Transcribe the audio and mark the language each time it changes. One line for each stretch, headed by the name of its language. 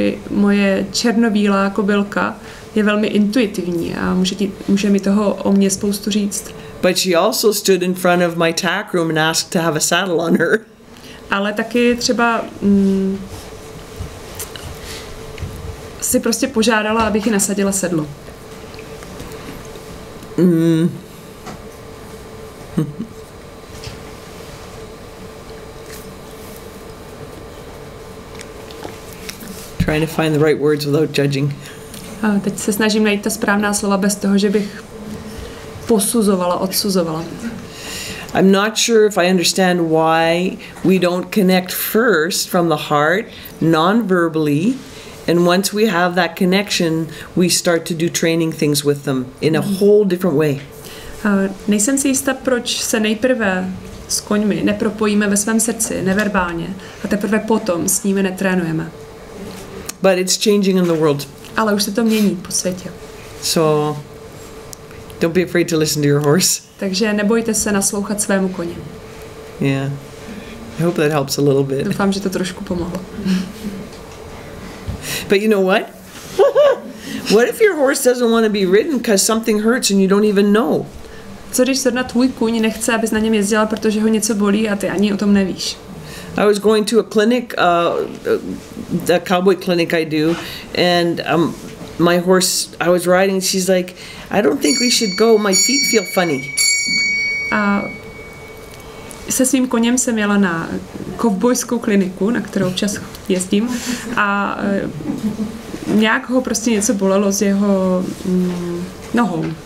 Czech: Moje černobílá kobylka je velmi intuitivní a může mi toho o mě spoustu říct.
English: But she also stood in front of my tack room and asked to have a saddle on her.
Czech: Ale taky třeba si prostě požádala, abych ji nasadila sedlo.
English: Trying to find the right words without judging.
Czech: A teď se snažím najít ta správná slova bez toho, že bych posuzovala, odsuzovala.
English: I'm not sure if I understand why we don't connect first from the heart, non-verbally, and once we have that connection, we start to do training things with them in a whole different way.
Czech: Nejsem si jistá, proč se nejprve s koňmi nepropojíme ve svém srdci, neverbálně, a teprve potom s nimi netrénujeme.
English: But it's changing in the world.
Czech: Ale už se to mění po světě.
English: So, don't be afraid to listen to your horse.
Czech: Takže nebojte se naslouchat svému koni.
English: Yeah, I hope that helps a little bit.
Czech: Doufám, že to trošku pomohlo.
English: But you know what? What if your horse doesn't want to be ridden because something hurts and you don't even know?
Czech: Co když zrovna tvůj kůň nechce, abys na něm jezdila, protože ho něco bolí a ty ani o tom nevíš?
English: I was going to a clinic, the cowboy clinic I do, and my horse, I was riding, she's like, I don't think we should go, my feet feel funny.
Czech: A se svým koněm jsem jela na kovbojskou kliniku, na kterou občas jezdím, a nějak ho prostě něco bolelo s jeho nohou.